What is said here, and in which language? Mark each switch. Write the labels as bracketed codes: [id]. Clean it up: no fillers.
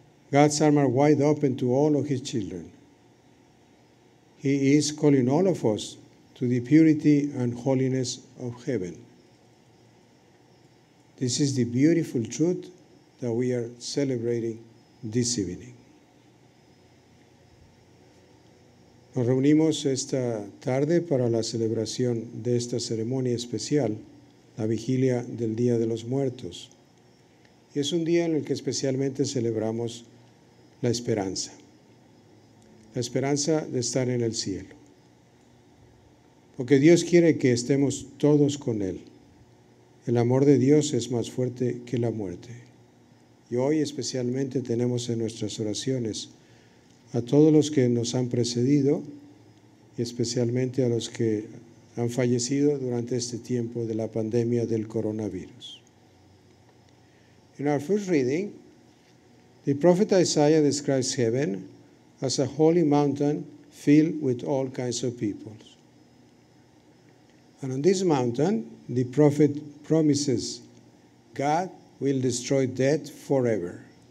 [en] God's arms are wide open to all of his children. He is calling all of us to the purity and holiness of heaven. This is the beautiful truth that we are celebrating this evening. [es] Nos reunimos esta tarde para la celebración de esta ceremonia especial la vigilia del Día de los Muertos. Y es un día en el que especialmente celebramos la esperanza. La esperanza de estar en el cielo. Porque Dios quiere que estemos todos con Él. El amor de Dios es más fuerte que la muerte. Y hoy especialmente tenemos en nuestras oraciones a todos los que nos han precedido y especialmente a los que han fallecido durante este tiempo de la pandemia del coronavirus. [en] In our first reading, the prophet Isaiah describes heaven as a holy mountain filled with all kinds of peoples. And on this mountain, the prophet promises God will destroy death forever.